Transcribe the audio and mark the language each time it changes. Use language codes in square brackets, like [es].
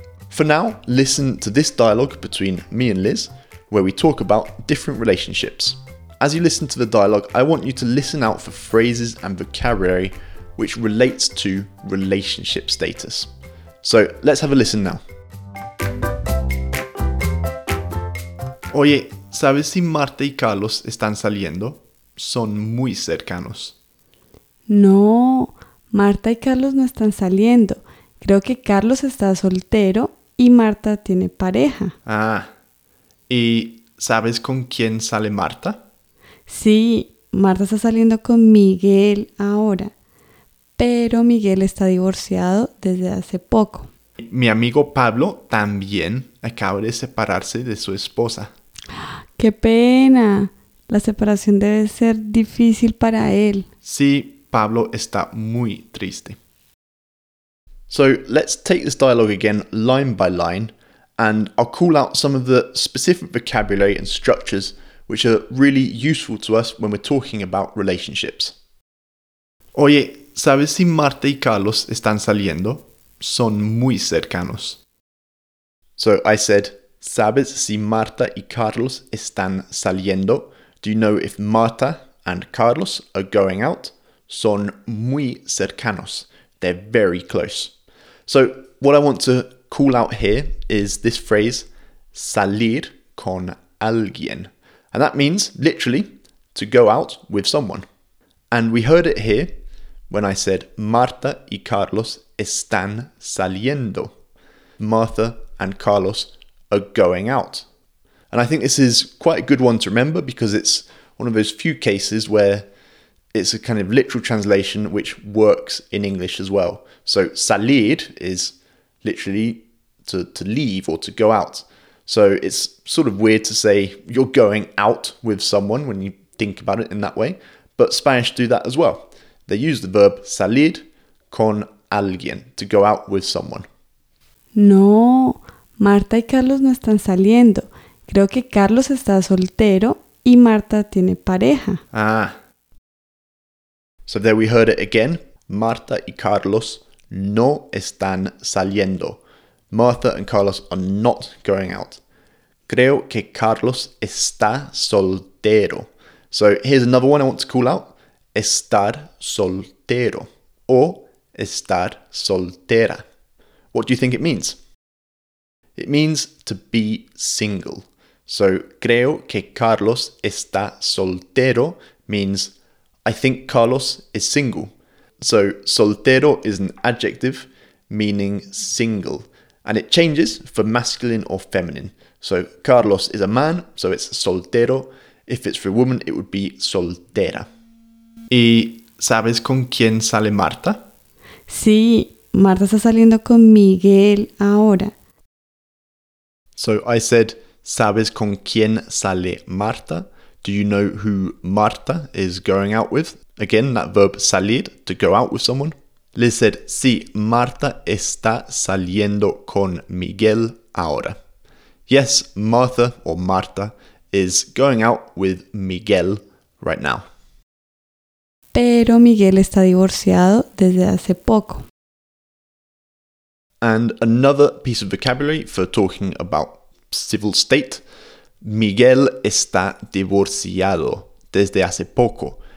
[en] For now, listen to this dialogue between me and Liz, where we talk about different relationships. As you listen to the dialogue, I want you to listen out for phrases and vocabulary which relates to relationship status. So let's have a listen now. [es] Oye, ¿sabes si Marta y Carlos están saliendo? Son muy cercanos. No, Marta y Carlos no están saliendo. Creo que Carlos está soltero y Marta tiene pareja. Ah, ¿y sabes con quién sale Marta? Sí, Marta está saliendo con Miguel ahora. Pero Miguel está divorciado desde hace poco. Mi amigo Pablo también acaba de separarse de su esposa. ¡Qué pena! La separación debe ser difícil para él. Sí, Pablo está muy triste. [en] So, let's take this dialogue again line by line, and I'll call out some of the specific vocabulary and structures which are really useful to us when we're talking about relationships. [es] Oye, ¿sabes si Marta y Carlos están saliendo? Son muy cercanos. [en] So, I said, [es] ¿sabes si Marta y Carlos están saliendo? [en] Do you know if Marta and Carlos are going out? [es] Son muy cercanos. [en] They're very close. So what I want to call out here is this phrase, [es] salir con alguien. [en] And that means literally to go out with someone. And we heard it here when I said [es] Marta y Carlos están saliendo. [en] Martha and Carlos are going out. And I think this is quite a good one to remember because it's one of those few cases where it's a kind of literal translation which works in English as well. So salir is literally to leave or to go out. So it's sort of weird to say you're going out with someone when you think about it in that way. But Spanish do that as well. They use the verb [es] salir con alguien, [en] to go out with someone. [es] No, Marta y Carlos no están saliendo. Creo que Carlos está soltero y Marta tiene pareja. Ah. [en] So there we heard it again. [es] Marta y Carlos no están saliendo. [en] Martha and Carlos are not going out. [es] Creo que Carlos está soltero. [en] So here's another one I want to call out. [es] Estar soltero. O estar soltera. [en] What do you think it means? It means to be single. So, [es] creo que Carlos está soltero [en] means I think Carlos is single. So, soltero is an adjective meaning single. And it changes for masculine or feminine. So, Carlos is a man, so it's soltero. If it's for a woman, it would be soltera. [es] ¿Y sabes con quién sale Marta? Sí, Marta está saliendo con Miguel ahora. [en] So, I said, [es] ¿sabes con quién sale Marta? [en] Do you know who Marta is going out with? Again, that verb salir, to go out with someone. [es] Le said, sí, Marta está saliendo con Miguel ahora. [en] Yes, Martha or Marta is going out with Miguel right now. [es] Pero Miguel está divorciado desde hace poco. [en] And another piece of vocabulary for talking about civil state. [es] Miguel está divorciado desde hace poco.